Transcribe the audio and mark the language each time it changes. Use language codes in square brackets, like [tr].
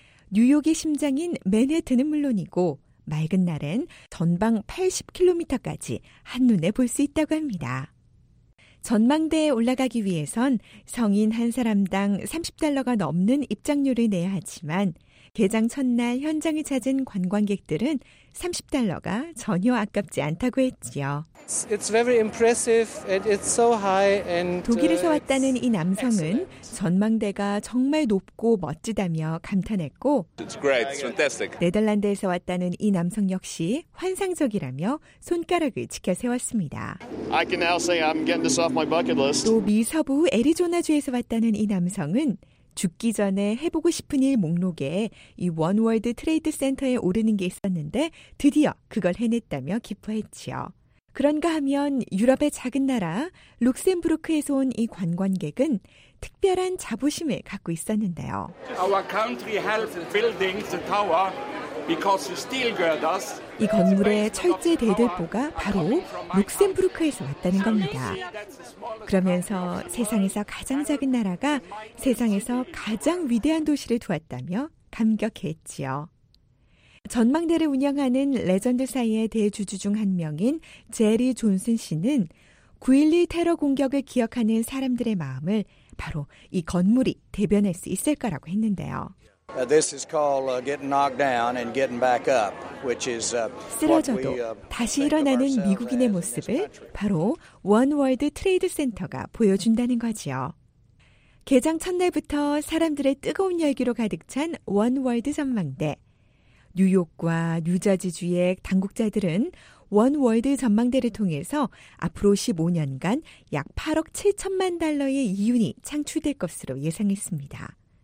[ko] 뉴욕의 심장인 맨해튼은 물론이고 맑은 날엔 전방 80km까지 한눈에 볼 수 있다고 합니다. 전망대에 올라가기 위해선 성인 한 사람당 $30가 넘는 입장료를 내야 하지만 개장 첫날 현장을 찾은 관광객들은 $30가 전혀 아깝지 않다고 했지요. [en] It's very impressive and it's so high and [ko] 독일에서 왔다는 이 남성은 전망대가 정말 높고 멋지다며 감탄했고 [en] It's great. It's fantastic. [ko] 네덜란드에서 왔다는 이 남성 역시 환상적이라며 손가락을 치켜 세웠습니다. [en] I can now say I'm getting this off my bucket list. [ko] 또 미 서부 애리조나주에서 왔다는 이 남성은 죽기 전에 해보고 싶은 일 목록에 이 원 월드 트레이드 센터에 오르는 게 있었는데 드디어 그걸 해냈다며 기뻐했지요. 그런가 하면 유럽의 작은 나라 룩셈부르크에서 온 이 관광객은 특별한 자부심을 갖고 있었는데요. [en] Our country helps building the tower because it still guard us. [ko] 이 건물의 철제 대들보가 바로 룩셈부르크에서 왔다는 겁니다. 그러면서 세상에서 가장 작은 나라가 세상에서 가장 위대한 도시를 두었다며 감격했지요. 전망대를 운영하는 레전드 사이의 대주주 중 한 명인 제리 존슨 씨는 9.11 테러 공격을 기억하는 사람들의 마음을 바로 이 건물이 대변할 수 있을 거라고 했는데요. [en] This is called getting knocked down and getting back up, which is [ko] 쓰러져도 다시 일어나는 미국인의 모습을 바로 원 월드 트레이드 센터가 보여준다는 거지요. 개장 첫날부터 사람들의 뜨거운 열기로 가득 찬 원월드 전망대. 뉴욕과 뉴저지주의 당국자들은 원월드 전망대를 통해서 앞으로 15년간 약 8억 7천만 달러의 이윤이 창출될 것으로 예상했습니다.